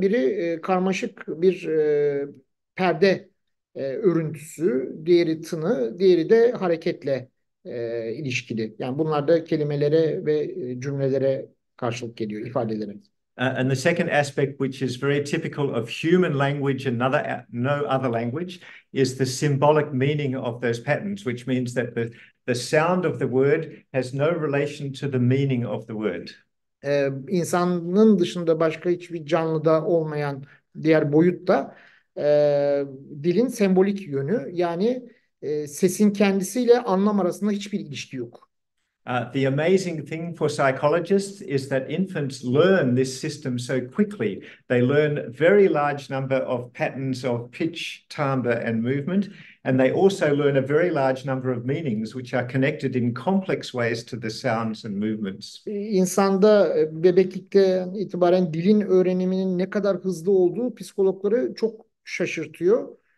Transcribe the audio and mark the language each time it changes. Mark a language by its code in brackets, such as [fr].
[tr] Biri karmaşık bir perde örüntüsü, diğeri tını, diğeri de hareketle ilişkili. Yani bunlar da kelimelere ve cümlelere karşılık geliyor, ifadelere. [en] And the second aspect, which is very typical of human language and no other language, is the symbolic meaning of those patterns, which means that the sound of the word has no relation to the meaning of the word. [tr] İnsanın dışında başka hiçbir canlıda olmayan diğer boyutta dilin sembolik yönü, yani sesin kendisiyle anlam arasında hiçbir ilişki yok. [en] The amazing thing for psychologists is that infants learn this system so quickly. They learn a very large number of patterns of pitch, timbre, and movement, and they also learn a very large number of meanings which are connected in complex ways to the sounds and movements. [tr] İnsanda bebeklikten itibaren dilin öğreniminin ne kadar hızlı olduğu psikologları çok şaşırtıyor.